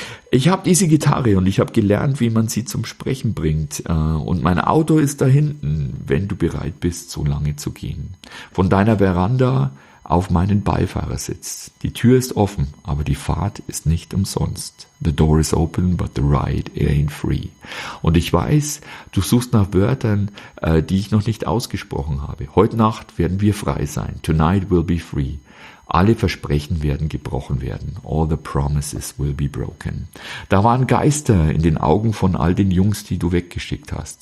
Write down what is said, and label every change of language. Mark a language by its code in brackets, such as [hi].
[de] Ich habe diese Gitarre und ich habe gelernt, wie man sie zum Sprechen bringt. Und mein Auto ist da hinten, wenn du bereit bist, so lange zu gehen. Von deiner Veranda auf meinen Beifahrersitz. Die Tür ist offen, aber die Fahrt ist nicht umsonst. [en] The door is open, but the ride ain't free. [de] Und ich weiß, du suchst nach Wörtern, die ich noch nicht ausgesprochen habe. Heute Nacht werden wir frei sein. [en] Tonight will be free. [de] Alle Versprechen werden gebrochen werden. [en] All the promises will be broken. [de] Da waren Geister in den Augen von all den Jungs, die du weggeschickt hast.